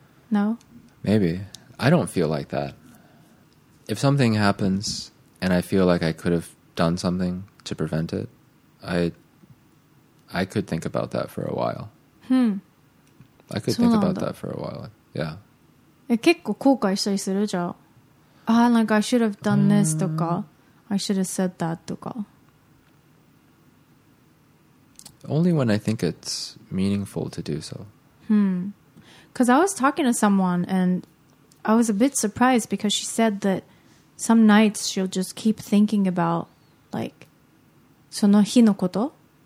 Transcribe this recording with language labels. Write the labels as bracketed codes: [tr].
[en] No? Maybe. I don't feel like that. If something happens and I feel like I could have done something to prevent it, I could think about that for a while. I could think about that for a while. Yeah. [ja] 結構後悔したりするじゃん。 [en] Ah, like I should have done this とか。 I should have said that to call. Only when I think it's meaningful to do so. Because I was talking to someone and I was a bit surprised because she said that some nights she'll just keep thinking about like, [ja] その日のこと?